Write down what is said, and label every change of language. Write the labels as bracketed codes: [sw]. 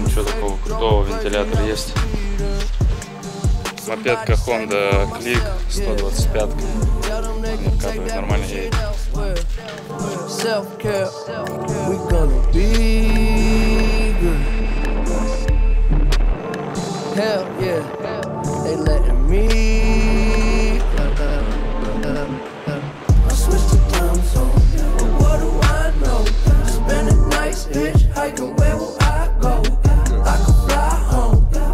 [ru] Ничего такого крутого, вентилятор есть. Мопедка Honda Click 125. Откатывает нормально едет. [en] Self-care, we gonna be good. Hell yeah, they letting me. I switched to time zone, but what do I know? Spending nights hitchhiking, where will I go? I could fly home.